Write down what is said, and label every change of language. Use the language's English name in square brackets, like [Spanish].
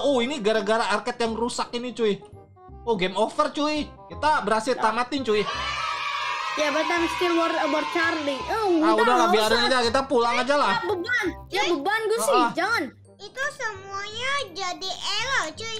[Indonesian] Ini gara-gara arcade yang rusak ini cuy. Game over cuy. Kita berhasil tamatin cuy. [English] Ya, yeah, but I'm still worried about Charlie. [Indonesian] Udah lah, biarin aja. Kita pulang aja lah. Ya beban gue sih, jangan. Itu semuanya jadi error cuy.